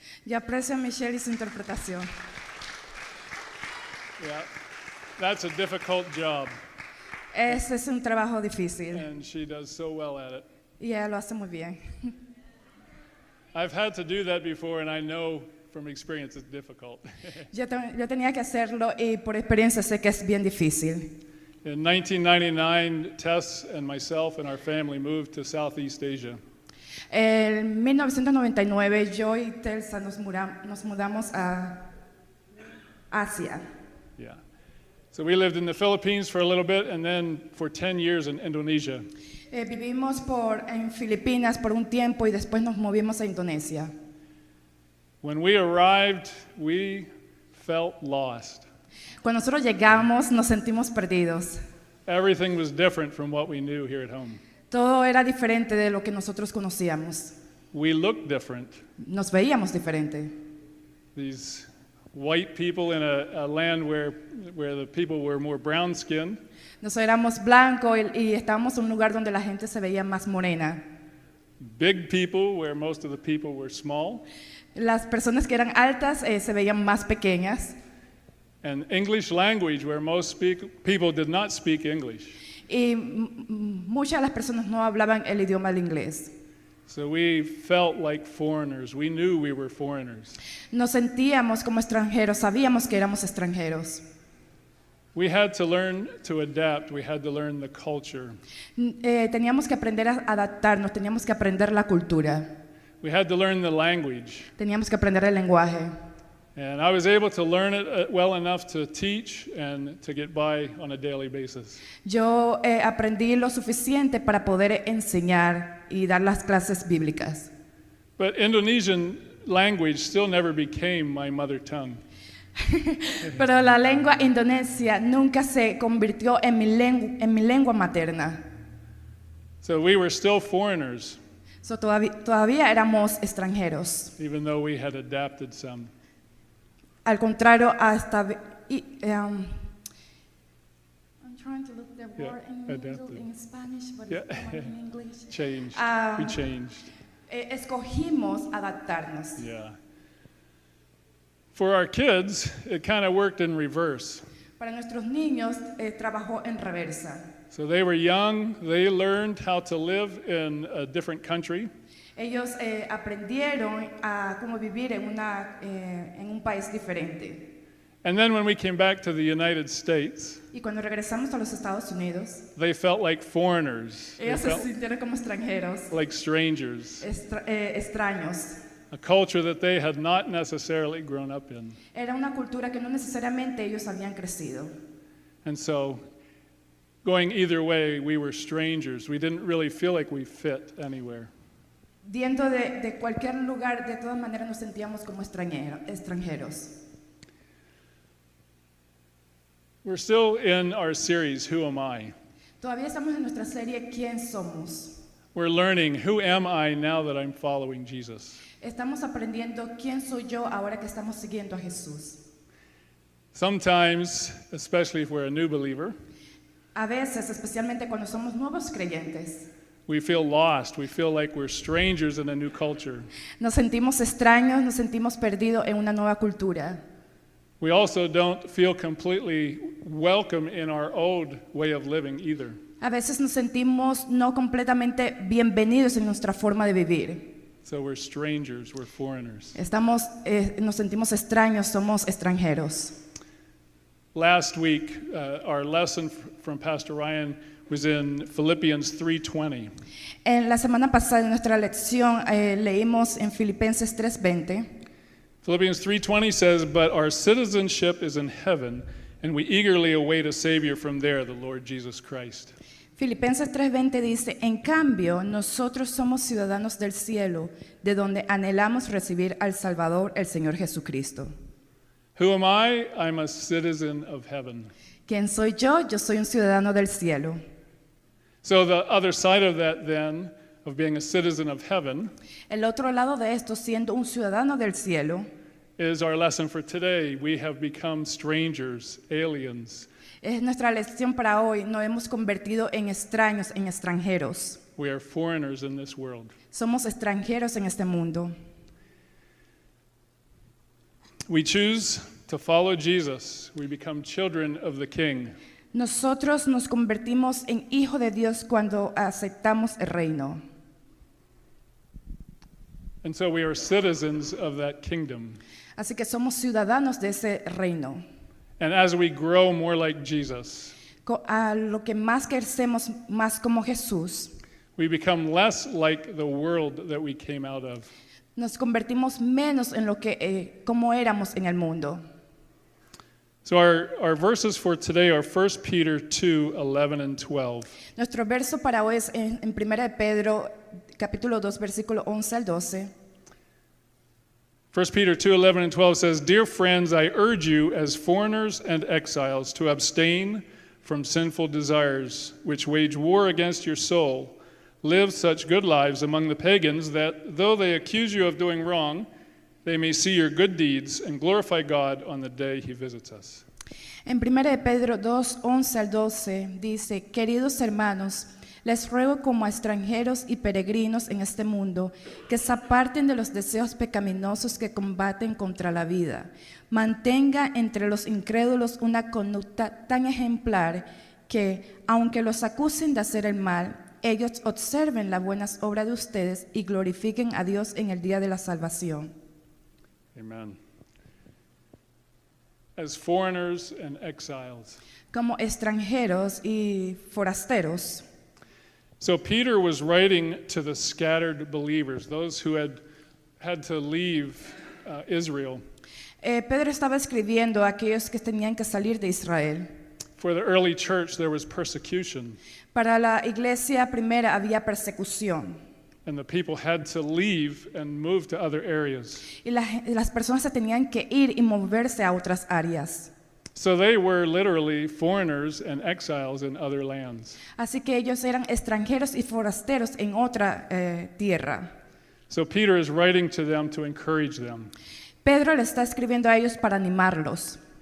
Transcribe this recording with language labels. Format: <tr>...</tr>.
<es>Yo aprecio a Michelle y su interpretación.</es> <en>Yeah, that's a difficult job.</en> <es>Ese es un trabajo difícil.</es> <en>And she does so well at it.</en> <es>Yeah, lo hace muy bien.</es> <en>I've had to do that before, and I know from experience it's difficult.</en> <es>Yo tenía que hacerlo y por experiencia sé que es bien difícil.</es> <en>In 1999, Tess and myself and our family moved to Southeast Asia.</en> <es>En 1999, yo y Telsa nos mudamos a Asia.</es> <en>Yeah. So we lived in the Philippines for a little bit, and then for 10 years in Indonesia.</en> <es>Vivimos en Filipinas por un tiempo, y después nos movimos a Indonesia.</es> <en>When we arrived, we felt lost.</en> <es>Cuando nosotros llegamos, nos sentimos perdidos.</es> <en>Everything was different from what we knew here at home.</en> <es>Todo era diferente de lo que nosotros conocíamos.</es> <en>We looked different.</en> <es>Nos veíamos diferente.</es> <en>These white people in a land where the people were more brown-skinned.</en> <es>Nos éramos blancos y estábamos en un lugar donde la gente se veía más morena.</es> <en>Big people where most of the people were small.</en> <es>Las personas que eran altas se veían más pequeñas.</es> <en>An English language where most people did not speak English.</en> <es>Y muchas de las personas no hablaban el idioma del inglés.</es> <en>So we felt like foreigners. We knew we were foreigners.</en> <es>Nos sentíamos como extranjeros. Sabíamos que éramos extranjeros.</es> <en>We had to learn to adapt. We had to learn the culture.</en> <es>Teníamos que aprender a adaptarnos. Teníamos que aprender la cultura.</es> <en>We had to learn the language.</en> <es>Teníamos que aprender el lenguaje.</es> <en>And I was able to learn it well enough to teach and to get by on a daily basis.</en> <es>Yo aprendí lo suficiente para poder enseñar y dar las clases bíblicas.</es> <en>But Indonesian language still never became my mother tongue.</en> <es>Pero la lengua indonesia nunca se convirtió en mi lengua materna.</es> <en>So we were still foreigners.</en> <es>So todavía éramos extranjeros.</es> <en>Even though we had adapted some.</en> <es>Al contrario, hasta</es> <en>I'm trying to look the word in Spanish, but it's in English. Changed. We changed.</en> <es>Escogimos adaptarnos.</es> <en>Yeah. For our kids, it kind of worked in reverse.</en> <es>Para nuestros niños, trabajó en reversa.</es> <en>So they were young. They learned how to live in a different country.</en> <es>Ellos aprendieron a cómo vivir en un país diferente.</es> <en>And then when we came back to the United States,</en> <es>y cuando regresamos a los Estados Unidos,</es> <en>they felt like foreigners.</en> <es>Ellos se sintieron como extranjeros.</es> <en>Like strangers.</en> <es>Extraños.</es> <en>A culture that they had not necessarily grown up in.</en> <es>Era una cultura que no necesariamente ellos habían crecido.</es> <en>And so, going either way, we were strangers. We didn't really feel like we fit anywhere.</en> <es>Dentro de cualquier lugar, de todas maneras nos sentíamos como extranjeros.</es> <en>We're still in our series, Who Am I?</en> <es>Todavía estamos en nuestra serie, ¿Quién somos?</es> <en>We're learning, Who am I now that I'm following Jesus?</en> <es>Estamos aprendiendo, ¿Quién soy yo ahora que estamos siguiendo a Jesús?</es> <en>Sometimes, especially if we're a new believer,</en> <es>a veces, especialmente cuando somos nuevos creyentes,</es> <en>we feel lost. We feel like we're strangers in a new culture.</en> <es>Nos sentimos extraños, nos sentimos perdidos en una nueva cultura.</es> <en>We also don't feel completely welcome in our old way of living either.</en> <es>A veces nos sentimos no completamente bienvenidos en nuestra forma de vivir.</es> <en>So we're strangers, we're foreigners.</en> <es>Estamos, nos sentimos extraños, somos extranjeros.</es> <en>Last week, our lesson from Pastor Ryan was in Philippians 3:20.</en> <es>En la semana pasada en nuestra lección leímos en Filipenses 3:20.</es> <en>Philippians 3:20 says, "But our citizenship is in heaven, And we eagerly await a savior from there, the Lord Jesus Christ.</en> <es>Filipenses 3:20 dice, "En cambio, nosotros somos ciudadanos del cielo, de donde anhelamos recibir al Salvador, el Señor Jesucristo."</es> <en>Who am I? I'm a citizen of heaven.</en> <es>¿Quién soy yo? Yo soy un ciudadano del cielo.</es> <en>So the other side of that then, of being a citizen of heaven,</en> <es>el otro lado de esto, siendo un ciudadano del cielo,</es> <en>is our lesson for today. We have become strangers, aliens.</en> <es>Es nuestra lección para hoy. Nos hemos convertido en extraños, en extranjeros.</es> <en>We are foreigners in this world.</en> <es>Somos extranjeros en este mundo.</es> <en>We choose to follow Jesus. We become children of the King.</en> <es>Nosotros nos convertimos en hijo de Dios cuando aceptamos el reino.</es> <en>And so we are citizens of that kingdom.</en> <es>Así que somos ciudadanos de ese reino.</es> <en>And as we grow more like Jesus,</en> <es>a lo que más crecemos más como Jesús,</es> <en>we become less like the world that we came out of.</en> <es>Nos convertimos menos en lo que como éramos en el mundo.</es> <en>So our verses for today are 1 Peter 2:11 and 12.</en> <es>Nuestro verso para hoy es en Primera de Pedro capítulo 2 versículo 11 al 12.</es> <en>1 Peter 2:11 and 12 says, "Dear friends, I urge you as foreigners and exiles to abstain from sinful desires which wage war against your soul. Live such good lives among the pagans that though they accuse you of doing wrong, they may see your good deeds and glorify God on the day he visits us."</en> <es>En 1 Pedro 2, 11 al 12 dice, "Queridos hermanos, les ruego como a extranjeros y peregrinos en este mundo que se aparten de los deseos pecaminosos que combaten contra la vida. Mantenga entre los incrédulos una conducta tan ejemplar que, aunque los acusen de hacer el mal, ellos observen las buenas obras de ustedes y glorifiquen a Dios en el día de la salvación."</es> <en>Amen. As foreigners and exiles.</en> <es>Como extranjeros y forasteros.</es> <en>So Peter was writing to the scattered believers, those who had to leave Israel.</en> <es>Pedro estaba escribiendo a aquellos que tenían que salir de Israel.</es> <en>For the early church, there was persecution.</en> <es>Para la iglesia primera había persecución.</es> <en>And the people had to leave and move to other areas.</en> <es>Y las personas se tenían que ir y moverse a otras áreas.</es> <en>So they were literally foreigners and exiles in other lands.</en> <es>Así que ellos eran extranjeros y forasteros en otra tierra.</es> <en>So Peter is writing to them to encourage them.</en> <es>Pedro le está escribiendo a ellos para animarlos.</es>